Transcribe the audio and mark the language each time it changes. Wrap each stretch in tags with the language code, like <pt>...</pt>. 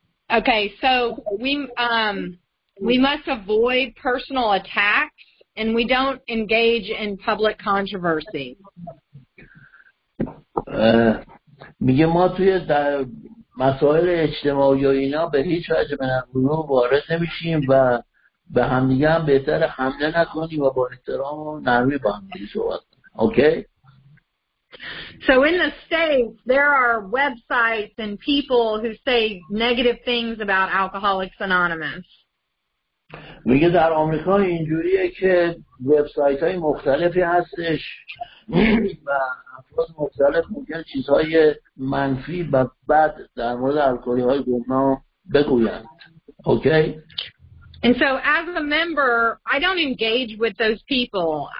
<en>Okay, so we must avoid personal attacks and we don't engage in public controversy.</en> <fa>میگه ما توی در مسائل اجتماعی و اینا به هیچ وجه به نظرو وارد نمیشیم و به همدیگه هم بهتر حمله نکنیم و با احترام و نرمی با هم دیگه صحبت کنیم.</fa> <en>Okay? So in the States, there are websites and people who say negative things about Alcoholics Anonymous.</en> <fa>میگه در آمریکا اینجوریه که وبسایت‌های مختلفی هستش و افراد مختلف ممکن چیزهای منفی و بد در مورد الکلی‌های گمنام بگویند.</fa> <en>Okay? And so as a member, I don't engage with those people.</en>